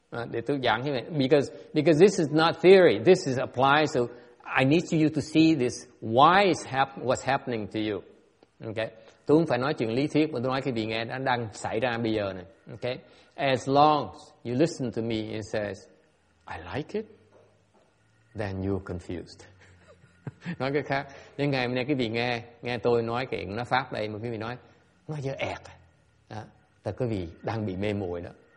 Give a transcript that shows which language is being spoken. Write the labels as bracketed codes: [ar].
[vi] Để tôi giảng như vậy, [en] because this is not theory, this is applied, so I need you to see this, why is what's happening to you. Okay? [vi] Tôi không phải nói chuyện lý thuyết, mà tôi nói quý vị nghe nó đang xảy ra bây giờ này. [en] Okay? As long as you listen to me and says, I like it, then you're confused. [vi] Nói cái khác, những ngày hôm nay quý vị nghe tôi nói cái nó pháp đây, mà quý vị nói, nó dơ ẹt. Đó, là quý vị đang bị mê muội đó.